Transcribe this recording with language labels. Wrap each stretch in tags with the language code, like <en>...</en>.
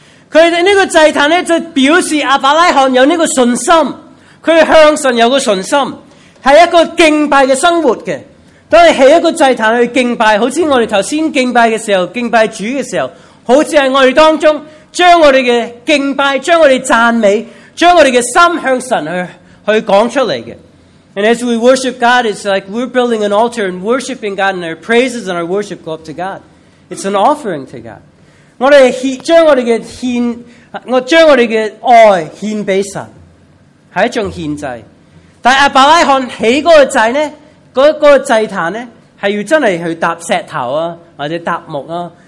<zh>他的这个祭坛呢就表示亚伯拉罕有这个信心，他向神有个信心，是一个敬拜的生活的。当你起一个祭坛去敬拜，好像我们刚才敬拜的时候，敬拜主的时候，好像是我们当中将我们的敬拜，将我们的赞美，将我们的心向神 去讲出来的。</zh> <en>And as we worship God, it's like we're building an altar and worshiping God, and our praises and our worship go up to God. It's an offering to God.</en> <zh>我们将我们的献，我将我们的爱献给神，是一种献祭。但亚伯拉罕起那个祭呢，那个祭坛呢，是要真的去搭石头啊，或者搭木啊。</zh>